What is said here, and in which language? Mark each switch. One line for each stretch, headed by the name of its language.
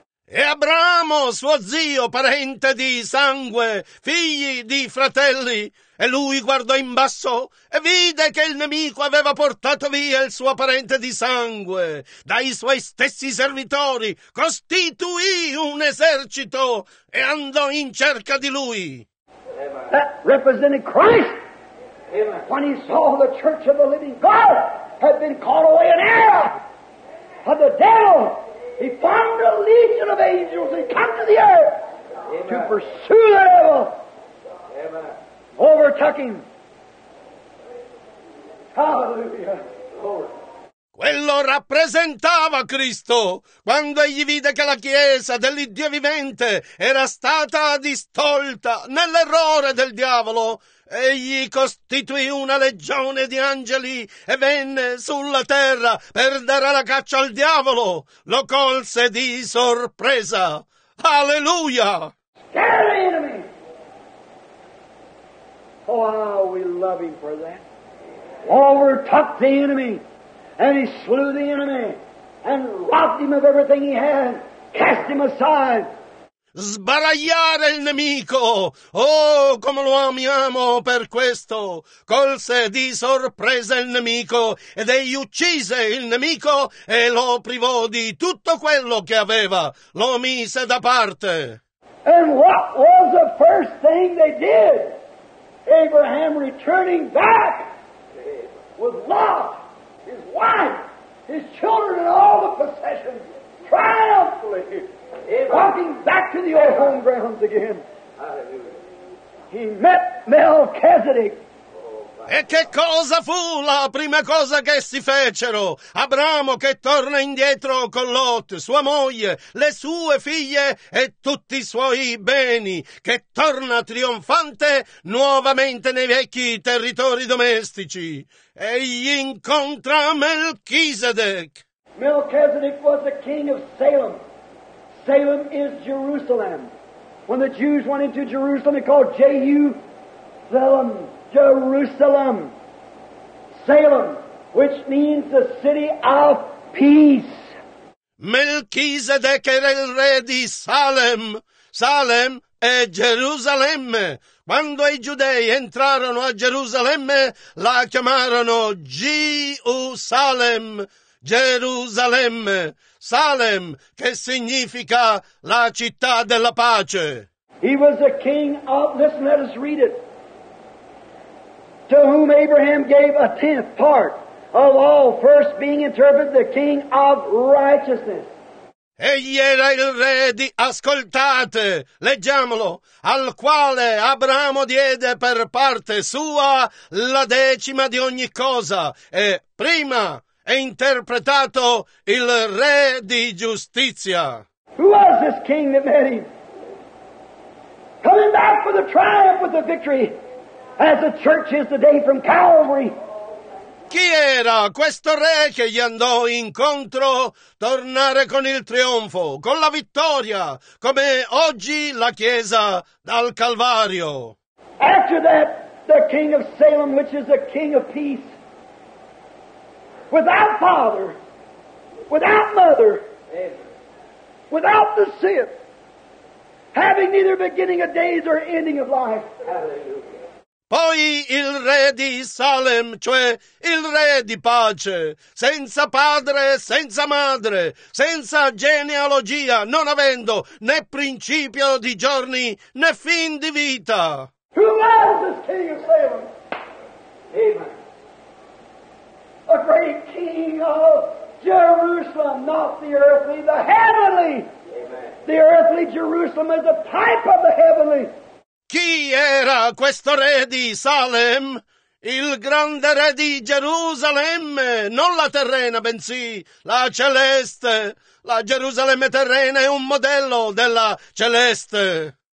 Italian: E Abramo, suo zio, parente di sangue, figli di fratelli, e lui guardò in basso e vide che il nemico aveva portato via il suo parente di sangue. Dai suoi stessi servitori costituì un esercito e andò in cerca di lui.
English: That represented Christ. Amen. When he saw the church of the living God had been caught away in error. of the devil. He formed a legion of angels and come to the earth to pursue the devil. Overtook him. Hallelujah.
Italian: Quello rappresentava Cristo quando egli vide che la chiesa dell'Iddio vivente era stata distolta nell'errore del diavolo. Egli costituì una legione di angeli e venne sulla terra per dare la caccia al diavolo. Lo colse di sorpresa. Alleluia!
English: Scare the enemy! Oh, how we love him for that. Overtook the enemy. And he slew the enemy. And robbed him of everything he had. Cast him aside.
Italian: Sbaragliare il nemico! Oh, come lo amiamo per questo! Colse di sorpresa il nemico, ed egli uccise il nemico e lo privò di tutto quello che aveva. Lo mise da parte.
English: And what was the first thing they did? Abraham returning back with Lot, his wife, his children and all the possessions, triumphantly. Walking back to the old home grounds again. He met Melchizedek.
Italian: E che cosa fu la prima cosa che si fecero? Abramo che torna indietro con Lot, sua moglie, le sue figlie e tutti i suoi beni, che torna trionfante nuovamente nei vecchi territori domestici. Egli incontra Melchizedek.
English: Melchizedek was the king of Salem. Salem is Jerusalem. When the Jews went into Jerusalem, they called Jehu-Zalem, Jerusalem. Salem, which means the city of peace.
Italian: Melchizedek era il re di Salem. Salem è Gerusalemme. Quando i giudei entrarono a Gerusalemme, la chiamarono Gerusalem. Gerusalemme, Salem, che significa la città della pace.
English: He was the king of, listen, let us read it, to whom Abraham gave a tenth part of all, first being interpreted the king of righteousness.
Italian: Egli era il re di, ascoltate, leggiamolo, al quale Abramo diede per parte sua la decima di ogni cosa, e prima è interpretato il re di giustizia.
English: Who was this king that met him? Coming back for the triumph with the victory, as the church is today from Calvary.
Italian: Chi era questo re che gli andò incontro, tornare con il trionfo, con la vittoria, come oggi la chiesa dal Calvario?
English: After that, the king of Salem, which is the king of peace, without father, without mother, without the sin, having neither beginning of days or ending of life.
Italian: Poi il re di Salem, cioè il re di pace, senza padre, senza madre, senza genealogia, non avendo né principio di giorni né fin di vita.
English: Who was this king of Salem? Amen. A great king of Jerusalem, not the earthly, the heavenly. Amen. The earthly Jerusalem is a type of the heavenly.
Italian: Chi era questo re di Salem? Il grande re di Gerusalemme, non la terrena, bensì la celeste. La Gerusalemme terrena è un modello della celeste.